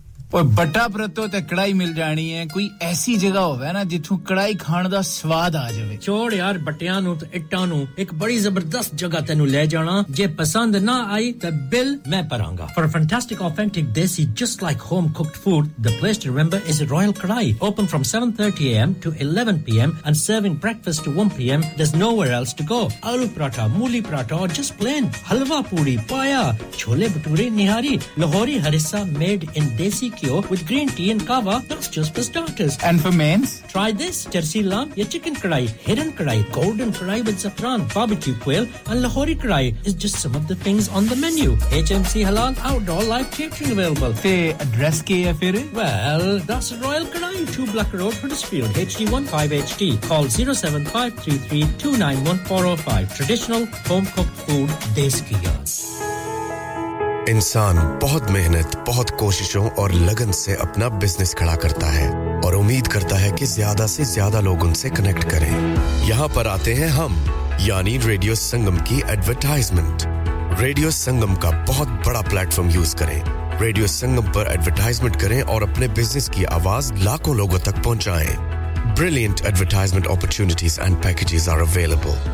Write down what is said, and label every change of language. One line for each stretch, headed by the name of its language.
Punjabi: ਪਰ ਬੱਟਾ ਪ੍ਰਤੋ ਤੇ ਕੜਾਈ ਮਿਲ ਜਾਣੀ ਹੈ ਕੋਈ ਐਸੀ ਜਗ੍ਹਾ ਹੋਵੇ ਨਾ ਜਿੱਥੋਂ ਕੜਾਈ ਖਾਣ ਦਾ ਸਵਾਦ ਆ ਜਾਵੇ ਛੋੜ ਯਾਰ ਬੱਟਿਆਂ ਨੂੰ ਤੇ ਇੱਟਾਂ ਨੂੰ ਇੱਕ ਬੜੀ ਜ਼ਬਰਦਸਤ ਜਗ੍ਹਾ ਤੈਨੂੰ ਲੈ ਜਾਣਾ ਜੇ ਪਸੰਦ ਨਾ ਆਈ ਤੇ ਬਿੱਲ ਮੈਂ ਭਰਾਂਗਾ
English: For fantastic authentic desi just like home cooked food the place to remember is Royal Kadai open from 7:30 AM to 11 PM and serving breakfast to 1 PM there's nowhere else to go aloo paratha mooli paratha or just plain halwa puri paya chole bhature nihari Lahori harisa made in desi with green tea and kava, that's just for starters. And for mains? Try this, Jersey lamb, your chicken kadai, hidden kadai, golden kadai with saffron, barbecue quail, and lahori kadai is just some of the things on the menu. HMC Halal Outdoor Live Catering available. The address
Punjabi: ke hai fir?
English: Well, that's Royal Kadai, 2 Black Road, Huddersfield, HD15HD. Call 07533-291405. Traditional home-cooked food, desi ghee.
Hindi: इंसान बहुत मेहनत बहुत कोशिशों और लगन से अपना business खड़ा करता है और उम्मीद करता है कि ज्यादा से ज्यादा लोग उनसे कनेक्ट करें यहां पर आते हैं हम यानी रेडियो संगम की एडवर्टाइजमेंट रेडियो संगम का बहुत बड़ा प्लेटफार्म यूज करें रेडियो संगम पर एडवर्टाइजमेंट करें और अपने बिजनेस की आवाज लाखों लोगों तक पहुंचाएं
English: Brilliant advertisement opportunities and packages are available.